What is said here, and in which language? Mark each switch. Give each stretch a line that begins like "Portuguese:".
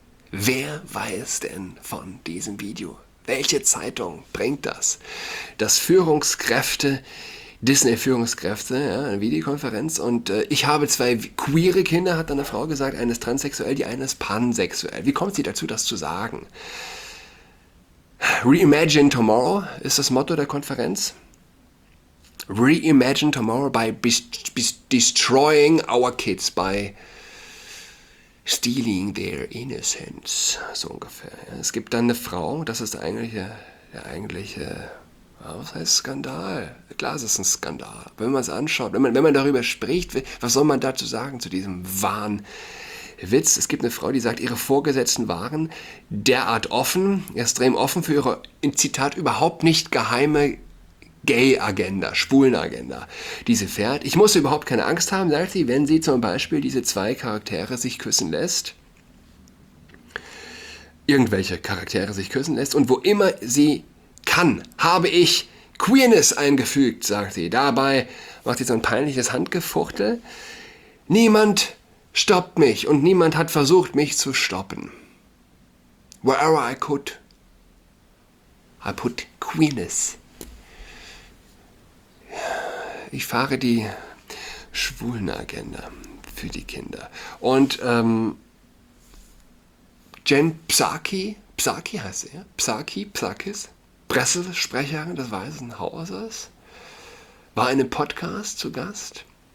German: Wer weiß denn von diesem Video? Welche Zeitung bringt das, dass Führungskräfte, Disney-Führungskräfte, ja, eine Videokonferenz und ich habe 2 queere Kinder, hat eine Frau gesagt, eine ist transsexuell, die eine ist pansexuell. Wie kommt sie dazu, das zu sagen? Reimagine Tomorrow ist das Motto der Konferenz.
English: Reimagine Tomorrow by destroying our kids, by stealing their innocence,
German: so ungefähr. Es gibt dann eine Frau, das ist der eigentliche, was heißt Skandal? Klar, es ist ein Skandal. Wenn man es anschaut, wenn man darüber spricht, was soll man dazu sagen, zu diesem Wahnwitz? Es gibt eine Frau, die sagt, ihre Vorgesetzten waren derart offen, extrem offen für ihre, in Zitat, überhaupt nicht geheime Gay-Agenda, Schwulen-Agenda, die sie fährt. Ich muss überhaupt keine Angst haben, sagt sie, wenn sie zum Beispiel diese 2 Charaktere sich küssen lässt. irgendwelche Charaktere sich küssen lässt. Und wo immer sie kann, habe ich Queerness eingefügt, sagt sie. Dabei macht sie so ein peinliches Handgefuchtel. Niemand stoppt mich und niemand hat versucht, mich zu stoppen.
English: Wherever I could, I put Queerness.
German: Ich fahre die Schwulenagenda für die Kinder. Und Jen Psaki, Psaki heißt er, Psaki, Psakis, Pressesprecherin des Weißen Hauses, war in einem Podcast zu Gast.